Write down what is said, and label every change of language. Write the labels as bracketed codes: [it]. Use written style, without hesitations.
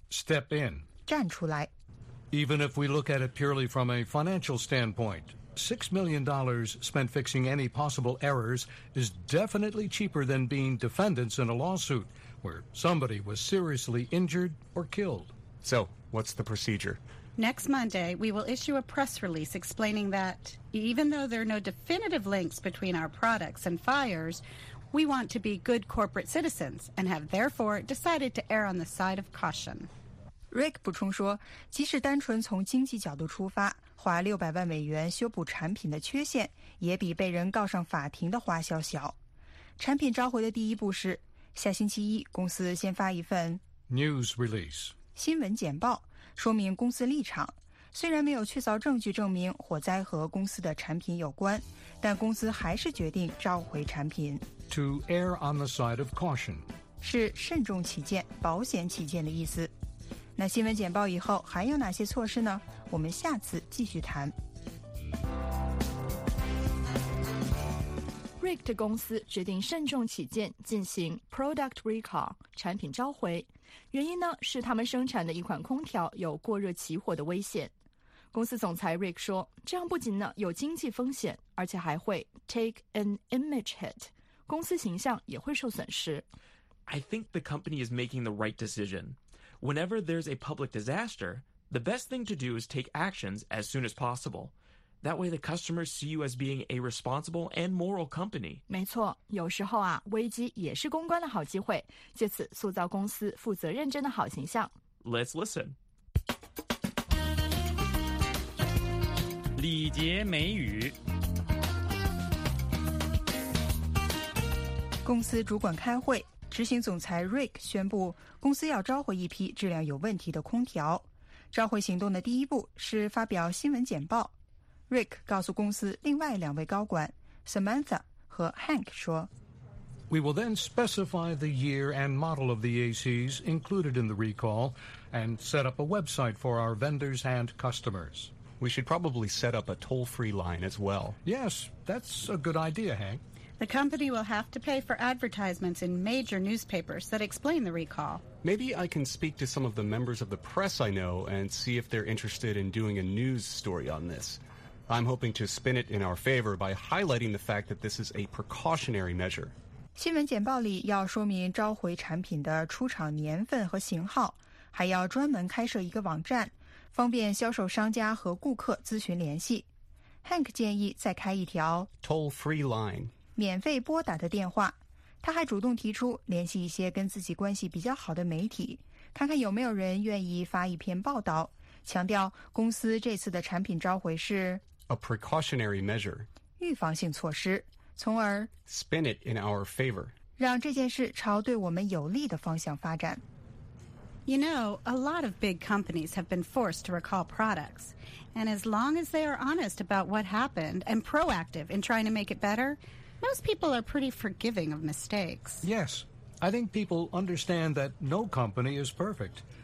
[en] step in [zh] 站出来。 [en] Even if we look at it purely from a financial standpoint, $6 million spent fixing any possible errors is definitely cheaper than being defendants in a lawsuit where somebody was seriously injured or killed. So, what's the procedure? Next Monday, we will issue a press release explaining that even though there are no definitive links between our products and fires, we want to be good corporate citizens and have therefore decided to err on the side of caution. [zh] Rick 补充说，即使单纯从经济角度出发，花600万美元修补产品的缺陷，也比被人告上法庭的花销小。产品召回的第一步是，下星期一公司先发一份 [en] news release [zh] 新闻简报，说明公司立场。虽然没有确凿证据证明火灾和公司的产品有关，但公司还是决定召回产品。 [en] To err on the side of caution [zh] 是慎重起见、保险起见的意思。那新闻简报以后还有哪些措施呢？我们下次继续谈。 Rick 的公司决定慎重起见，进行 [en] product recall [zh] 产品召回，原因呢是他们生产的一款空调有过热起火的危险。公司总裁 Rick 说，这样不仅呢有经济风险，而且还会 [en] take an image hit， [zh] 公司形象也会受损失。 [en] I think the company is making the right decision. Whenever there's a public disaster, the best thing to do is take actions as soon as possible. That way the customers see you as being a responsible and moral company. [zh] 没错，有时候啊，危机也是公关的好机会，借此塑造公司负责认真的好形象。 [en] Let's listen. [zh] 礼节美语。公司主管开会。执行总裁 Rick 宣布公司要召回一批质量有问题的空调。召回行动的第一步是发表新闻简报。Rick 告诉公司另外两位高管 Samantha 和 Hank 说 [en] We will then specify the year and model of the ACs included in the recall and set up a website for our vendors and customers. We should probably set up a toll-free line as well. Yes, that's a good idea, Hank. The company will have to pay for advertisements in major newspapers that explain the recall. Maybe I can speak to some of the members of the press I know and see if they're interested in doing a news story on this. I'm hoping to spin it in our favor by highlighting the fact that this is a precautionary measure. [zh] 新闻简报里要说明召回产品的出厂年份和型号，还要专门开设一个网站，方便销售商家和顾客咨询联系。 Hank 建议再开一条 [en] toll-free line. [zh] 免费拨打的电话，他还主动提出联系一些跟自己关系比较好的媒体，看看有没有人愿意发一篇报道，强调公司这次的产品召回是 [en] a precautionary measure， [zh] 预防性措施，从而 [en] spin it in our favor， [zh] 让这件事朝对我们有利的方向发展。 [en] You know, a lot of big companies have been forced to recall products. And as long as they are honest about what happened and proactive in trying to make it better,Most people are pretty forgiving of mistakes. Yes, I think people understand that no company is perfect.